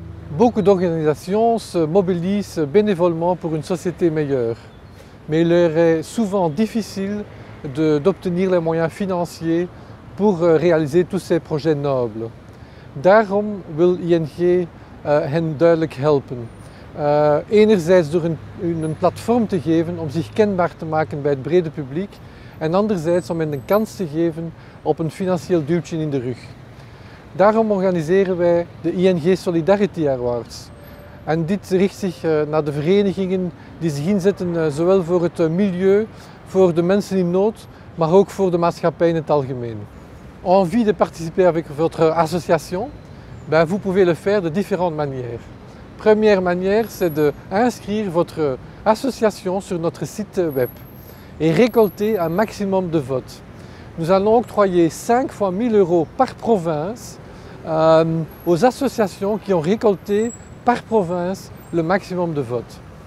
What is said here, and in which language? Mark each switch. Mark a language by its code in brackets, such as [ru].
[fr] Beaucoup d'organisations se mobilisent bénévolement pour une société meilleure, mais il leur est souvent difficile d'obtenir les moyens financiers pour réaliser tous ces projets nobles. [nl] Daarom wil ING hen duidelijk helpen. Enerzijds door een platform te geven om zich kenbaar te maken bij het brede publiek en anderzijds om hen een kans te geven op een financieel duwtje in de rug. Daarom organiseren wij de ING Solidarity Awards. En dit richt zich naar de verenigingen die zich inzetten zowel voor het milieu, voor de mensen in nood, maar ook voor de maatschappij in het algemeen. [fr] Envie de participer avec votre association? Ben, vous pouvez le faire de différentes manières. Première manière, c'est d'inscrire votre association sur notre site web et récolter un maximum de votes. Nous allons octroyer 5 fois 1000 euros par province aux associations qui ont récolté par province le maximum de votes.